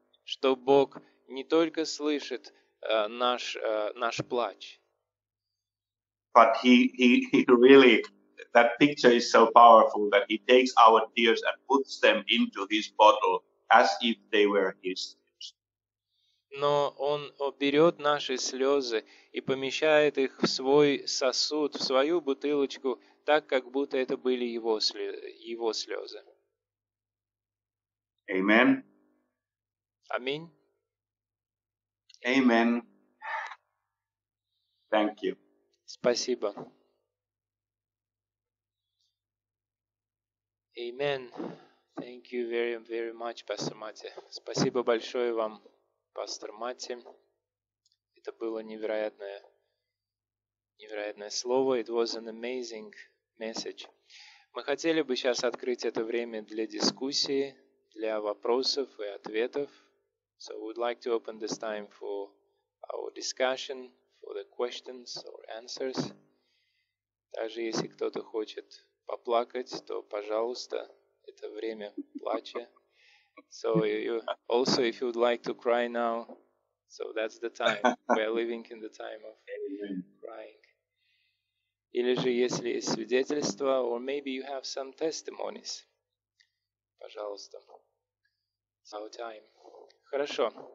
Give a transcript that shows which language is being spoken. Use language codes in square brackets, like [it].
[ru] Что Бог не только слышит наш плач. [en] But he really... That picture is so powerful that he takes our tears and puts them into his bottle as if they were his tears. [ru] Но он берет наши слезы и помещает их в свой сосуд, в свою бутылочку, так, как будто это были его слезы. [en] Amen. [ru] Аминь. [en] Amen. Thank you. [ru] Спасибо. [en] Amen. Thank you very, very much, Pastor Mati. [ru] Спасибо большое вам, Пастор Мати. Это было невероятное, невероятное слово. [en] It was an amazing message. [ru] Мы хотели бы сейчас открыть это время для дискуссии, для вопросов и ответов. [en] So we'd like to open this time for our discussion, for the questions or answers. [ru] Также если кто-то хочет поплакать, то, пожалуйста, это время плача. [en] So you, also, if you would like to cry now, so that's the time. We are living in the time of crying. [ru] Или же, если есть свидетельства, [en] or maybe you have some testimonies, [ru] пожалуйста. [en] It's our time. [ru] Хорошо.